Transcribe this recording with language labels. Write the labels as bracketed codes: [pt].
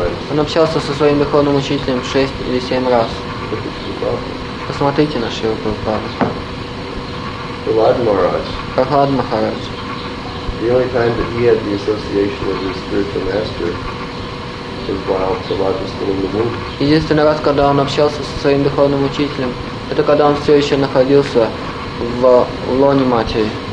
[ru] Он общался со своим духовным учителем 6 или 7 раз. Посмотрите на Шрилу Прабхупаду. [en] Prahlad Maharaj. The only time that he had the association of his spiritual master was while Prahlad was still in the womb. [ru] Единственный раз, когда он общался со своим духовным учителем, это когда он все еще находился в лоне матери.